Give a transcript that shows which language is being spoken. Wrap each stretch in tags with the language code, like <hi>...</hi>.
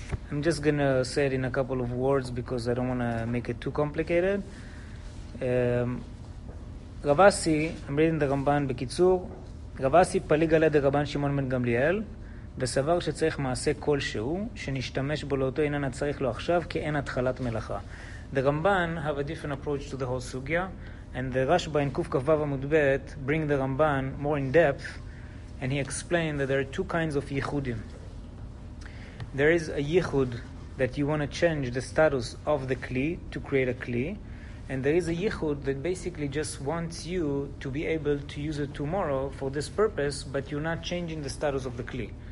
<en>I'm just going to say it in a couple of words because I don't want to make it too complicated. Rav Asi, I'm reading the Ramban</en> <he>בקיצור, Rav Asi פליג על יד רבן שמעון בן גמליאל וסבר שצריך מעשה כלשהו שנשתמש בו לאותו עניין הצריך לו עכשיו כי אין התחלת מלאכה.</he> <en>The Ramban have a different approach to the whole sugya, and the Rashba in Kuf Kaf Vav Amud Bet bring the Ramban more in depth, and he explained that there are two kinds of yichudim. There is a yichud that you want to change the status of the kli to create a kli, and there is a yichud that basically just wants you to be able to use it tomorrow for this purpose, but you're not changing the status of the kli.</en>